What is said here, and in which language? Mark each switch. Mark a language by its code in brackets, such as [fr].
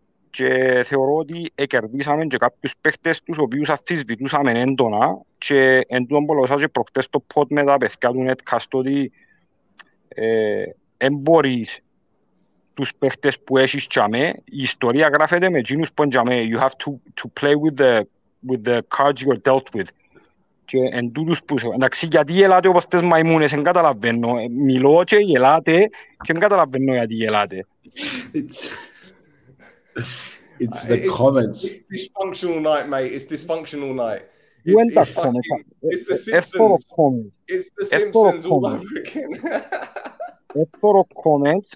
[el] Και θεωρώ ότι εκερδίσαμε και κάποιους παίχτες τους οποίους αφισβητούσαμε έντονα και εν τούτον πολλούσα και προχτές το πότ με τα παιδιά του Netcast ότι εμπορείς τους παίχτες που έχεις τζαμε. Η ιστορία γράφεται με τζίνους που τζαμε. [en] You have to play with the cards you're dealt with. [el] Και εν τούτους που... Εντάξει, γιατί γελάτε όπως τες μαϊμούνες, εν καταλαβαίνω. Μιλώ και γελάτε και εν καταλαβαίνω γιατί γελάτε. [en] It's the comments. It's dysfunctional night, mate. It's dysfunctional night. It's the Simpsons all over again.